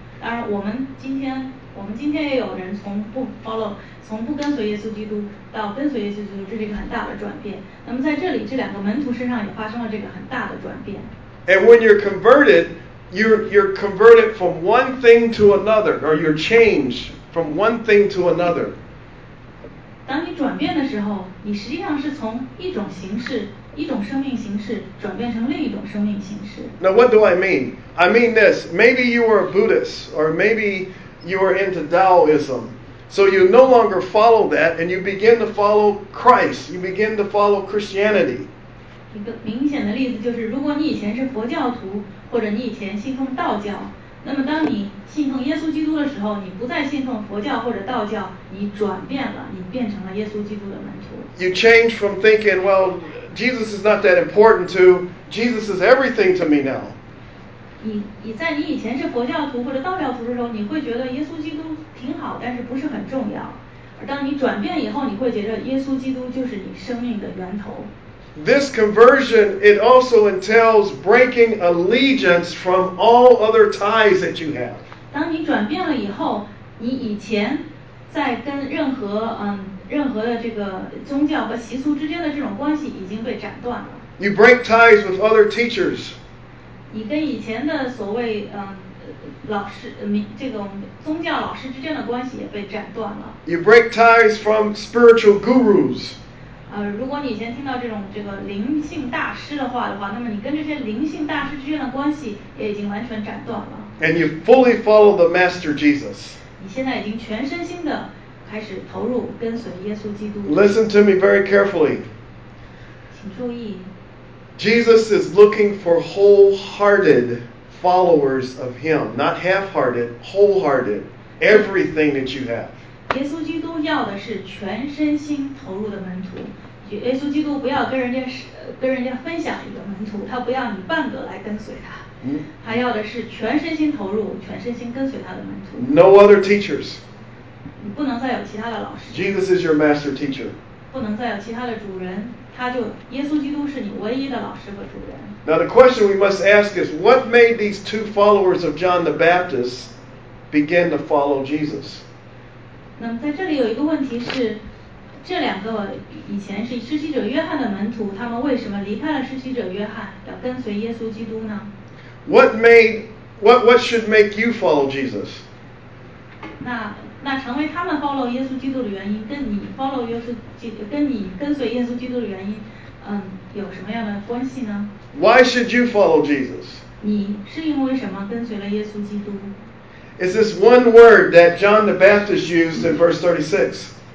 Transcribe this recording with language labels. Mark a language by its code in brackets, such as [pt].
[zh] 当然，我们今天也有人从不跟随耶稣基督到跟随耶稣基督，这是一个很大的转变。那么在这里，这两个门徒身上也发生了这个很大的转变。 [en] And when you're converted, you're converted from one thing to another, or you're changed from one thing to another. [zh] 当你转变的时候，你实际上是从一种形式。一种生命形式转变成另一种生命形式。 [en] Now what do I mean? I mean this. Maybe you are a Buddhist, or maybe you are into Taoism. So you no longer follow that, and you begin to follow Christ. You begin to follow Christianity. [zh] 一个明显的例子就是，如果你以前是佛教徒，或者你以前信奉道教，那么当你信奉耶稣基督的时候，你不再信奉佛教或者道教，你转变了，你变成了耶稣基督的门徒。 [en] You change from thinking, well. Jesus is not that important to Jesus is everything to me now. [zh] 你以前是佛教徒或者道教徒的时候，你会觉得耶稣基督挺好，但是不是很重要。而当你转变以后，你会觉得耶稣基督就是你生命的源头。 [en] This conversion, it also entails breaking allegiance from all other ties that you have. [zh] 当你转变了以后，你以前在跟任何的这个宗教和习俗之间的这种关系已经被斩断了。 [en] You break ties with other teachers. [zh] 你跟以前的所谓老师这种宗教老师之间的关系也被斩断了。 [en] You break ties from spiritual gurus. [zh] 如果你以前听到这个灵性大师的话，那么你跟这些灵性大师之间的关系也已经完全斩断了。 [en] And you fully follow the Master Jesus. [zh] 你现在已经全身心的。开始投入跟随耶稣基督。 [en] Listen to me very carefully. [zh] 请注意。 [en] Jesus is looking for wholehearted followers of him, not half-hearted, wholehearted, everything that you have. [zh] 耶稣基督要的是全身心投入的门徒。耶稣基督不要跟人家分享一个门徒，他不要你半个来跟随他。他要的是全身心投入，全身心跟随他的门徒。 [en] No other teachers. [zh] 你不能再有其他的老师。 [en] Jesus is your master teacher. [zh] 不能再有其他的主人，他就耶稣基督是你唯一的老师和主人。 [en] Now the question we must ask is, what made these two followers of John the Baptist begin to follow Jesus? [zh] 那么在这里有一个问题是，这两个以前是施洗者约翰的门徒，他们为什么离开了施洗者约翰，要跟随耶稣基督呢？ [en] What should make you follow Jesus? [zh] 那成为他们 follow 耶稣基督的原因，跟你 follow 耶稣基督，跟你跟随耶稣基督的原因，有什么样的关系呢？ [en] Why should you follow Jesus? [zh] 你是因为什么跟随了耶稣基督？ [en] is this one word that John the Baptist used in verse 36.